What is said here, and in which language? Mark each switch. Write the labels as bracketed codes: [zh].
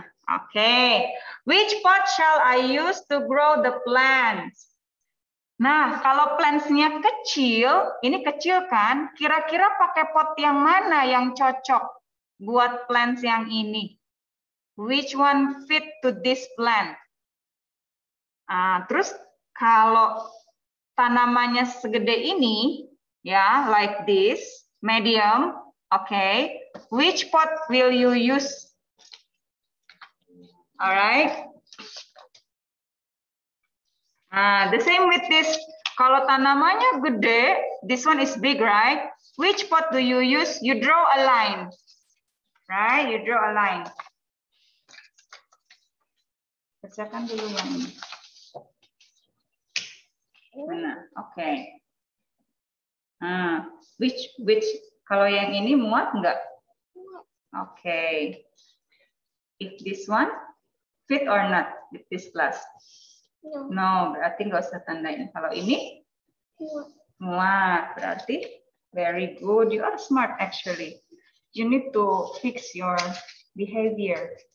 [en] Okay, which pot shall I use to grow the plants? [id] Nah, kalau plants-nya kecil, ini kecil kan? Kira-kira pakai pot yang mana yang cocok buat plants yang ini? [en] Which one fit to this plant? [id] Terus kalau tanamannya segede ini, ya, [en] like this, medium, okay, which pot will you use? Alright. The same with this. [id] Kalau tanamannya gede, [en] this one is big, right? Which pot do you use? You draw a line. Right? You draw a line. [id] Kerjakan dulu yang ini. [en] Okay. [id] Which kalau yang ini muat enggak? [en] Okay. If this one fit or not with this glass? No. [id] No, berarti nggak usah tandain. Kalau ini? Muat. [en] Berarti very good. You are smart actually. You need to fix your behavior.